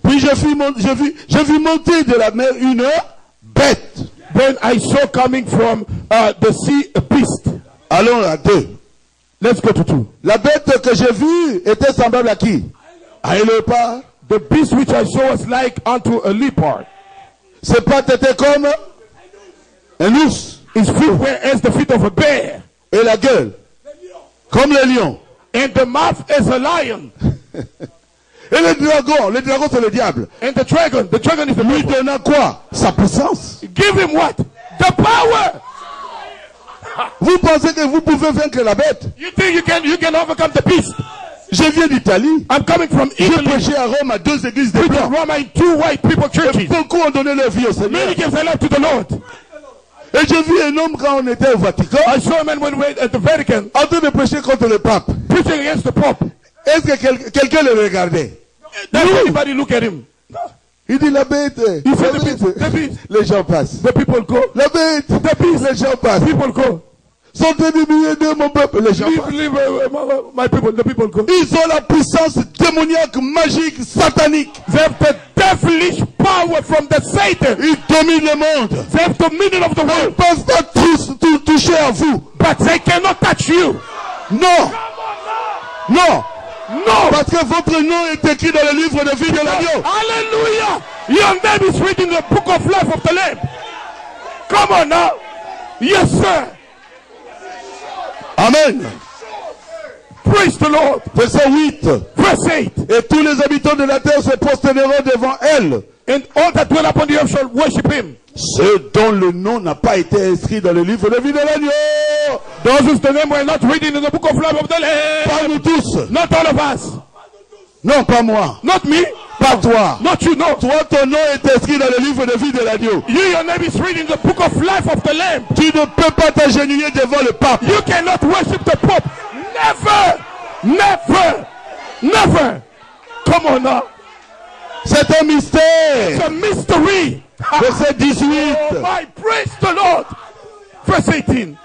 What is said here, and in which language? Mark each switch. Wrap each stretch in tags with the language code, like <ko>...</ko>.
<fr>Puis je vis monter de la mer une bête.</fr> <en>Then I saw coming from the sea a beast.</en> <fr>Allons à deux.</fr> <en>Let's go to two.</en> <fr>La bête que j'ai vue était semblable à qui? À un léopard.</fr> <en>The beast which I saw was like unto a leopard.</en> <fr>Ses pattes étaient comme un ours.</fr> <en>His feet were as the feet of a bear.</en> <fr>Et la gueule? Le lion. Comme le lion.</fr> <en>And the mouth as a lion.</en> <fr>Et le dragon c'est le diable.</fr> <en>And the dragon is the</en> <fr>lui donne quoi? Sa puissance.</fr> <en>Give him what? The power.</en> <fr>Vous pensez que vous pouvez vaincre la bête?</fr> <en>You think you can overcome the beast?</en> <fr>Je viens d'Italie.</fr> <en>I'm coming from Italy.</en> <fr>J'ai prêché à Rome à deux églises de blancs.</fr> <en>Roma in two white people churches.</en> <fr>Et beaucoup ont donné leur vie au Seigneur.</fr> <en>Many gave their life to the Lord.</en> <fr>Et j'ai vu un homme quand on était au Vatican.</fr> <en>I saw a man when we were at the Vatican.</en> <fr>En train de prêcher contre le pape.</fr> <en>Preaching against the Pope.</en> <fr>Est-ce que quelqu'un le regardait?</fr> <en>Did anybody look at him?</en> <fr>Il dit la bête.</fr> <en>He said the beast. The beast.</en> <fr>Les gens passent.</fr> <en>The people go.</en> <fr>La bête.</fr> <en>The beast.</en> <fr>Les gens passent.</fr> <en>People go.</en> <fr>Sont diminués de mon peuple. Les gens passent.</fr> <en>Leave, my people. The people go.</en> <fr>Ils ont la puissance démoniaque, magique, satanique.</fr> <en>They have the devilish power from the Satan.</en> <fr>Ils dominent le monde.</fr> <en>They have dominion of the world.</en> <fr>Ils peuvent pas toucher à vous.</fr> <en>But they cannot touch you.</en> <fr>Non. Non. Non. Parce que votre nom est écrit dans le livre de vie de l'agneau. Alléluia.</fr> <en>Your name is written in the book of life of the Lamb. Come on now. Yes, sir. Amen. Praise the Lord.</en> <fr>Verset 8.</fr> <en>Verse 8.</en> <fr>Et tous les habitants de la terre se prosterneront devant elle.</fr> <en>And all that dwell upon the earth shall worship him.</en> <fr>Ceux dont le nom n'a pas été inscrit dans le livre de vie de l'agneau.</fr> <en>Those whose name were not written in the book of life of the Lamb.</en> <fr>Pas nous tous.</fr> <en>Not all of us.</en> <fr>Non, pas moi.</fr> <en>Not me.</en> <fr>Pas toi.</fr> <en>Not you, no.</en> <fr>Toi, ton nom est inscrit dans le livre de vie de l'agneau.</fr> <en>You, your name is written in the book of life of the Lamb.</en> <fr>Tu ne peux pas t'agenouiller devant le pape.</fr> <en>You cannot worship the pope. Never. Never. Never. Come on now.</en> <fr>C'est un mystère.</fr> <en>It's a mystery.</en> <fr>Verset 18.</fr> <en>Oh my, praise the Lord. Verse 18.</en>